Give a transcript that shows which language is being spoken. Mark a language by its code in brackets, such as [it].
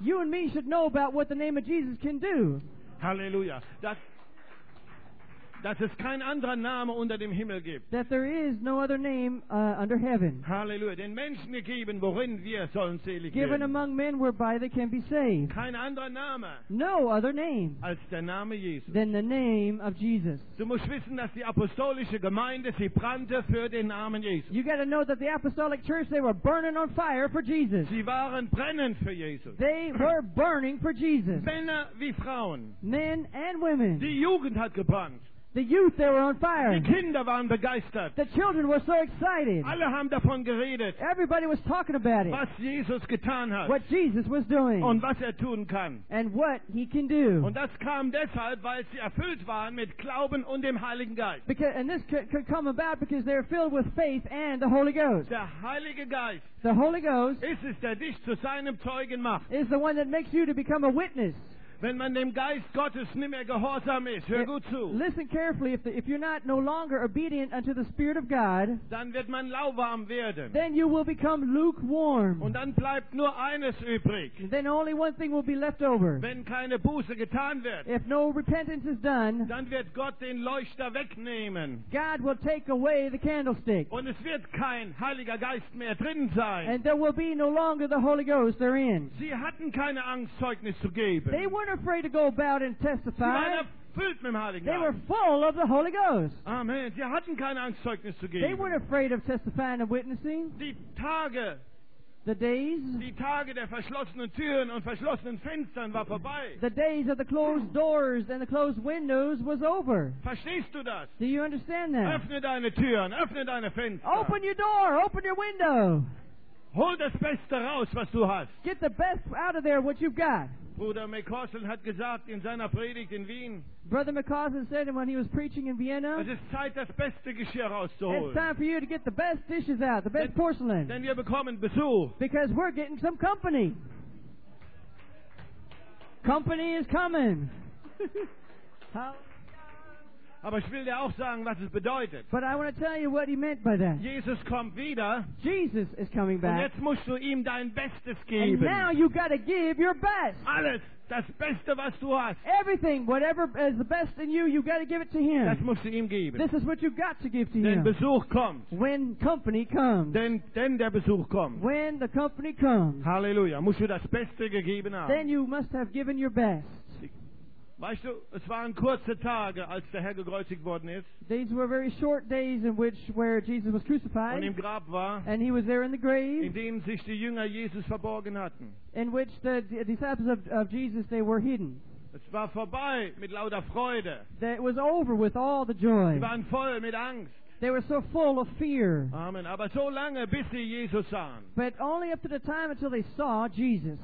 [en] You and me should know about what the name of Jesus can do. Halleluja. [de] Dass es kein anderer Name unter dem Himmel gibt. [en] That there is no other name under heaven. Halleluja. [de] Den Menschen gegeben, worin wir sollen selig werden. [en] Given among men whereby they can be saved. [de] Kein anderer Name. [en] No other name. [de] Als der Name Jesus. [en] Than the name of Jesus. [de] Du musst wissen, dass die apostolische Gemeinde, sie brannte für den Namen Jesus. [en] You got to know that the apostolic church, they were burning on fire for Jesus. [de] Sie waren brennend für Jesus. [en] They were burning for Jesus. [de] Männer wie Frauen. [en] Men and women. [de] Die Jugend hat gebrannt. [en] The youth, they were on fire. [de] Die Kinder waren begeistert. [en] The children were so excited. [de] Alle haben davon geredet. [en] Everybody was talking about it. [de] Was Jesus getan hat. [en] What Jesus was doing. [de] Und was er tun kann. [en] And what he can do. [de] Und das kam deshalb, weil sie erfüllt waren mit Glauben und dem Heiligen Geist. [en] Because, and this could come about because they're filled with faith and the Holy Ghost. [de] Der Heilige Geist. [en] The Holy Ghost. [de] Ist es, der dich zu seinem Zeugen macht. [en] Is the one that makes you to become a witness. [de] Wenn man dem Geist Gottes nicht mehr gehorsam ist, hör gut zu. [en] Listen carefully. If you're not no longer obedient unto the Spirit of God, [de] dann wird man lauwarm werden. [en] Then you will become lukewarm. [de] Und dann bleibt nur eines übrig. [en] Then only one thing will be left over. [de] Wenn keine Buße getan wird, [en] if no repentance is done, [de] dann wird Gott den Leuchter wegnehmen. [en] God will take away the candlestick. [de] Und es wird kein Heiliger Geist mehr drin sein. [en] And there will be no longer the Holy Ghost therein. [de] Sie hatten keine Angst, Zeugnis zu geben. [en] They weren't afraid to go about and testify. They were full of the Holy Ghost. [de] Amen. Sie hatten keine Angst, Zeugnis zu geben. [en] They weren't afraid of testifying and witnessing. [de] Die Tage, [en] the days, [de] die Tage der verschlossenen Türen und verschlossenen Fenstern war vorbei. [en] The days of the closed doors and the closed windows was over. [de] Verstehst du das? [en] Do you understand that? [de] Öffne deine Türen, öffne deine Fenster. [en] Open your door, open your window. [de] Hol das Beste raus, was du hast. [en] Get the best out of there, what you've got. [de] Bruder McCausland hat gesagt in seiner Predigt in Wien. [en] Brother McCausland said when he was preaching in Vienna. [de] Es ist Zeit, das beste Geschirr rauszuholen. [en] It's time for you to get the best dishes out, the best porcelain. [de] Denn wir bekommen Besuch. [en] Because we're getting some company. Company is coming. [de] Aber ich will dir auch sagen, was es bedeutet. [en] But I want to tell you what he meant by that. [de] Jesus kommt wieder. [en] Jesus is coming back. [de] Und jetzt musst du ihm dein Bestes geben. [en] And now you got to give your best. [de] Alles, das Beste, was du hast. [en] Everything, whatever is the best in you, you got to give it to him. [de] Das musst du ihm geben. [en] This is what you got to give to [de] denn Denn Besuch kommt. [en] When company comes. [de] Denn der Besuch kommt. [en] When the company comes. [de] Halleluja. Musst du das Beste gegeben haben. [en] Then you must have given your best. [de] Weißt du, es waren kurze Tage, als der Herr gekreuzigt worden ist. [en] These were very short days in which where Jesus was crucified. [de] Und im Grab war. [en] And he was there in the grave. [de] In dem sich die Jünger Jesus verborgen hatten. [en] In which the disciples of Jesus, they were hidden. [de] Es war vorbei mit lauter Freude. [en] That it was over with all the joy. [de] Sie waren voll mit Angst. [en] They were so full of fear. [de] Amen. Aber so lange, bis sie Jesus sahen. [en] But only up to the time until they saw Jesus.